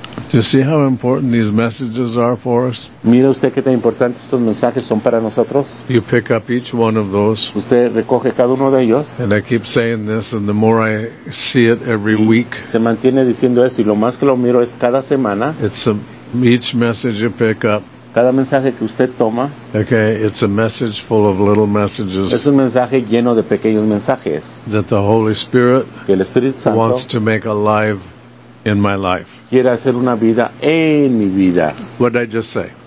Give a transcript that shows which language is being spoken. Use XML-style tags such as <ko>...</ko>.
<en>Do you see how important these messages are for us?</en> <es>¿Mira usted qué tan importantes estos mensajes son para nosotros?</es> <en>You pick up each one of those.</en> <es>Usted recoge cada uno de ellos.</es> <en>And I keep saying this, and the more I see it every week.</en> <es>Se mantiene diciendo esto, y lo más que lo miro es cada semana.</es> <en>It's a, each message you pick up.</en> <es>Cada mensaje que usted toma.</es> <en>Okay, it's a message full of little messages.</en> <es>Es un mensaje lleno de pequeños mensajes.</es> <en>That the Holy Spirit</en> <es>que el Espíritu Santo</es> <en>wants to make alive in my life.</en> <es>Quiere hacer una vida en mi vida.</es> <en>What did I just say?</en>